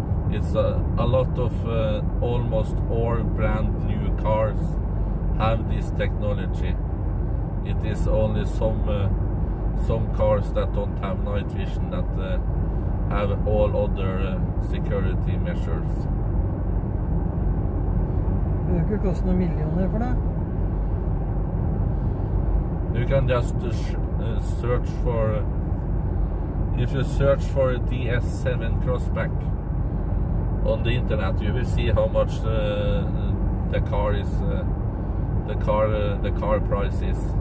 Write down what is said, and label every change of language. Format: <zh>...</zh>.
<en>It's a lot of almost all brand new cars have this technology. It is only some cars that don't have night vision that have all other security measures.</en> <no>Det vil ikke koste noen millioner for det.</no> <en>You can just search for if you search for a DS7 Crossback on the internet, you will see how much the car is, the car price is.</en>